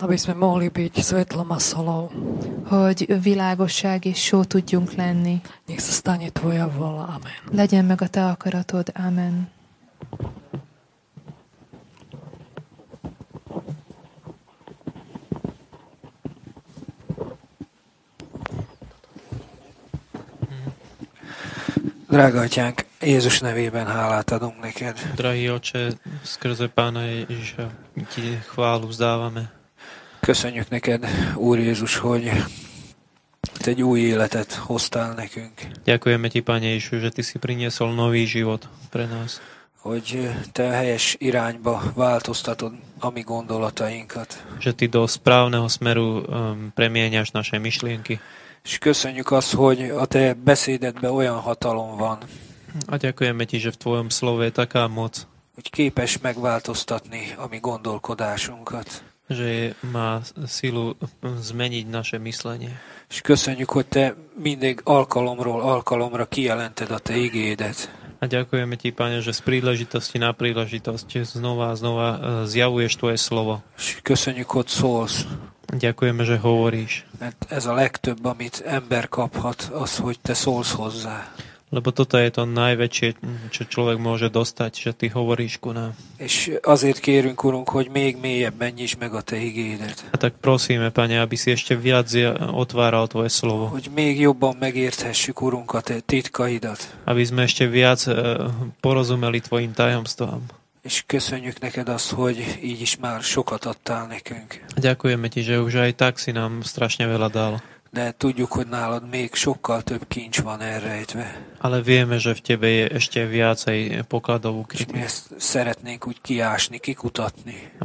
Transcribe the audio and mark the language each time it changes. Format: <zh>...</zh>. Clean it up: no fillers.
<sk>Aby sme mohli byť svetlom a solou.</sk> <hu>Hogy világosság és só tudjunk lenni.</hu> <sk>Nech sa stane tvoja vola. Amen.</sk> <hu>Legyen meg a te akaratod. Amen. Drága atyánk, Jézus nevében hálát adunk neked.</hu> <sk>Drahý oče, skrze Pána Ježiša ti chválu vzdávame.</sk> <hu>Köszönjük neked, Úr Jézus, hogy te egy új életet hoztál nekünk.</hu> <sk>Ďakujeme ti, Pane Ježišu, že ty si priniesol nový život pre nás.</sk> <hu>Hogy te helyes irányba változtatod a mi gondolatainkat.</hu> <sk>Že ty do správneho smeru premieňaš naše myšlienky.</sk> <hu>És köszönjük azt, hogy a te beszédedben olyan hatalom van.</hu> <sk>A ďakujeme ti, že v tvojom slove je taká moc.</sk> <hu>Hogy képes megváltoztatni a mi gondolkodásunkat.</hu> <sk>Že má silu zmeniť naše myslenie.</sk> <hu>És köszönjük, hogy te mindig alkalomról alkalomra kijelented a te igédet.</hu> <sk>A ďakujeme ti, Pane, že z príležitosti na príležitosť znova a znova zjavuješ tvoje slovo.</sk> <hu>És köszönjük, hogy szólsz.</hu> <sk>Ďakujeme, že hovoríš.</sk> <hu>Mert ez a legtöbb, amit ember kaphat, az, hogy te szólsz hozzá.</hu> <sk>Lebo toto je to najväčšie, čo človek môže dostať, že ty hovoríš ku nám.</sk> <hu>És azért kérünk, Urunk, hogy még mélyebben nyisd meg a te igédet.</hu> <sk>A tak prosíme, Pane, aby si ešte viac otváral tvoje slovo.</sk> <hu>Hogy még jobban megérthessük, Urunk, a te titkaidat.</hu> <sk>Aby sme ešte viac porozumeli tvojim tajomstvám.</sk> <hu>És köszönjük neked azt, hogy így is már sokat adtál nekünk.</hu> <sk>Ďakujeme ti, že už aj tak si nám strašne veľa dal.</sk> <hu>De tudjuk, hogy nálad még sokkal több kincs van elrejtve.</hu> <sk>Ale vieme, že v tebe je ešte viacej pokladov ukrytých.</sk> <hu>És mi ezt szeretnénk úgy kiásni, kikutatni.</hu>